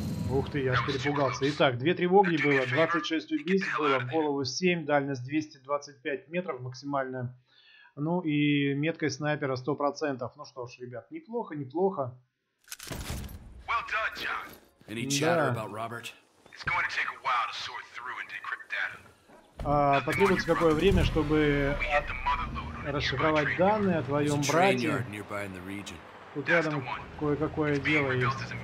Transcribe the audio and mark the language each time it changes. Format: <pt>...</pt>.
<ru>Ух ты, я аж перепугался. Итак, две тревоги было, 26 убийств было, голову 7, дальность 225 метров максимальная. Ну и меткость снайпера 100%. Ну что ж, ребят, неплохо, неплохо.</ru> <en>Well done, John. Any chatter about Robert? It's going to take a while to sort through and decrypt data.</en> <ru>Потребуется какое время, чтобы расшифровать данные о твоем брате. Тут рядом кое-какое дело есть.</ru>